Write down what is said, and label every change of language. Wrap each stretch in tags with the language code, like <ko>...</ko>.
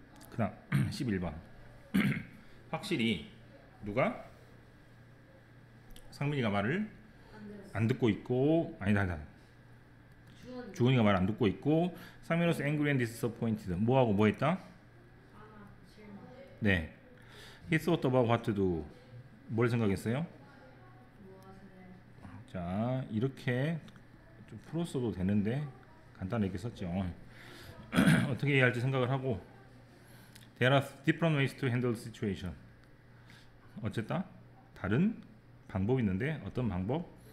<ko>그 다음 11번 확실히 누가? 상민이가 말을 안 듣고 있고 아니다 아니다 주은이가 말 안 듣고 있고 상민이</ko> <en>was angry and disappointed</en> <ko>뭐하고 뭐했다?</ko> <en>네 He thought about what to do</en> <ko>뭘 생각했어요?</ko> <en>자 이렇게 좀 풀었어도 되는데 간단하게 썼죠.</en> <ko>어떻게 해야 할지 생각을 하고</ko> <en>There are different ways to handle the situation</en> <ko>어쨌든 다른 방법이 있는데 어떤 방법?</ko>